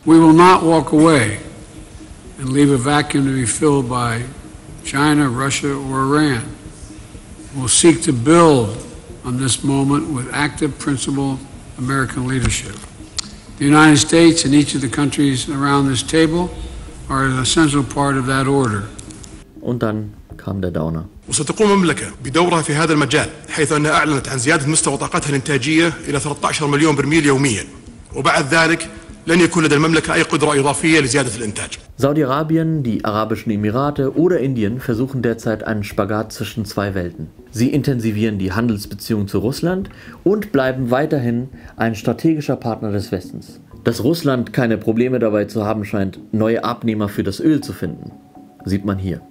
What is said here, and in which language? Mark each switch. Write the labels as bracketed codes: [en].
[en] We will not walk away and leave a vacuum to be filled by China, Russia, or Iran. We'll seek to build on this moment with active, principled American leadership. The United States and each of the countries around this table are an essential part of that order. [de] Und dann kam der Downer. [ar] وستقوم المملكة بدورها في هذا المجال حيث أنها أعلنت عن زيادة مستوى طاقتها الإنتاجية إلى 13 مليون برميل يوميا وبعد ذلك لن يكون لدى المملكة أي قدرة إضافية لزيادة الإنتاج. [de] Saudi-Arabien, die Arabischen Emirate oder Indien versuchen derzeit einen Spagat zwischen zwei Welten. Sie intensivieren die Handelsbeziehungen zu Russland und bleiben weiterhin ein strategischer Partner des Westens. Dass Russland keine Probleme dabei zu haben scheint, neue Abnehmer für das Öl zu finden, sieht man hier.